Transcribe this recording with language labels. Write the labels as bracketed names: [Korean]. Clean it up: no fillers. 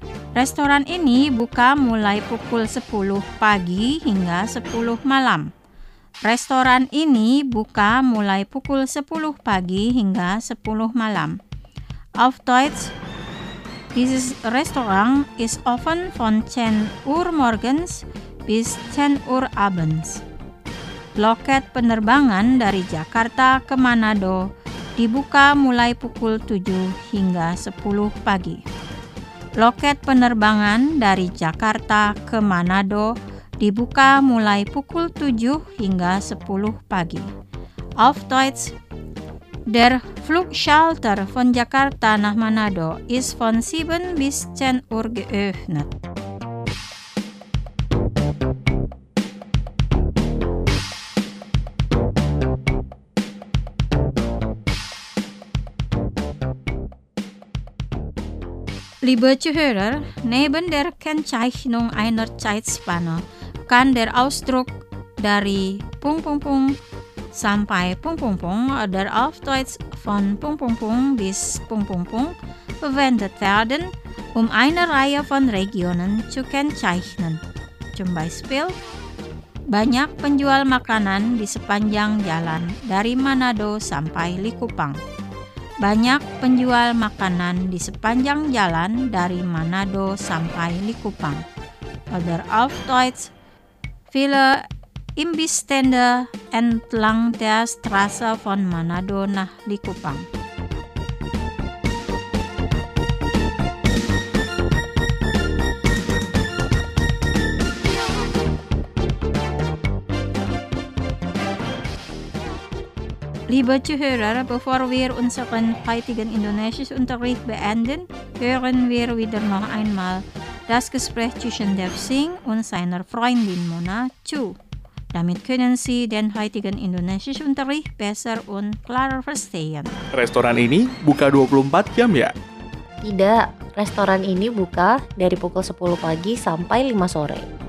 [Indonesian] Restoran ini buka mulai pukul 10 pagi hingga 10 malam. Restoran ini buka mulai pukul 10 pagi hingga 10 malam. [German] Auf Deutsch: Dieses Restaurant ist offen von 10 Uhr morgens bis 10 Uhr abends. [Indonesian] Loket penerbangan dari Jakarta ke Manado dibuka mulai pukul 7 hingga 10 pagi. Loket penerbangan dari Jakarta ke Manado dibuka mulai pukul 7 hingga 10 pagi. [German] Auf Deutsch: Der Flugschalter von Jakarta nach Manado ist von 7 bis 10 Uhr geöffnet. Liebe Zuhörer, neben der Kennzeichnung einer Zeitspanne kann der Ausdruck [Indonesian] dari pung-pung-pung sampai pung-pung-pung [German] oder auf Deutsch von pung-pung-pung bis pung-pung-pung verwendet werden, eine Reihe von Regionen zu kennzeichnen. Zum Beispiel, [Indonesian] banyak penjual makanan di sepanjang jalan dari Manado sampai Likupang. Banyak penjual makanan di sepanjang jalan dari Manado sampai Likupang. [German] Oder auf Deutsch, viele Imbissstände entlang der Straße von Manado nach Likupang. Liebe Zuhörer, bevor wir unseren heutigen indonesischen Unterricht beenden, hören wir wieder noch einmal das Gespräch zwischen Dev Singh und seiner Freundin Mona zu. Damit können Sie den heutigen indonesischen Unterricht besser und klarer verstehen. [Indonesian] Restoran ini buka 24 jam ya? Tidak, restoran ini buka dari pukul 10 pagi sampai 5 sore.